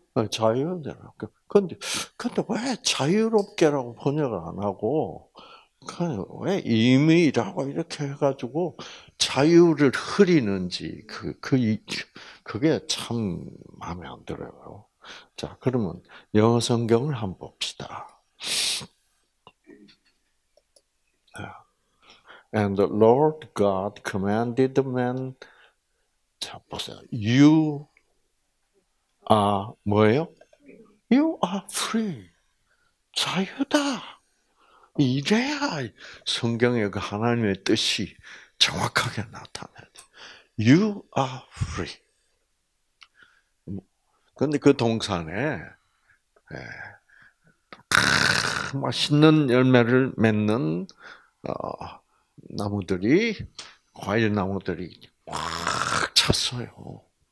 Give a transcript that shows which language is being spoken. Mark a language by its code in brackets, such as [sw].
[ko] 자유잖아. 근데 왜 자유롭게라고 번역을 안 하고 왜 임의라고 이렇게 해가지고 자유를 흐리는지 그게 참 마음에 안 들어요. 자, 그러면 영어 성경을 한번 봅시다. [en] And the Lord God commanded the man. [ko] 자, 보세요. [en] You are [ko] 뭐예요? [en] You are free. [ko] 자유다. 이제야 성경에 그 하나님의 뜻이 정확하게 나타나죠. [en] You are free. [ko] 근데 그 동산에 맛있는 열매를 맺는 나무들이 과일 나무들이 꽉 찼어요.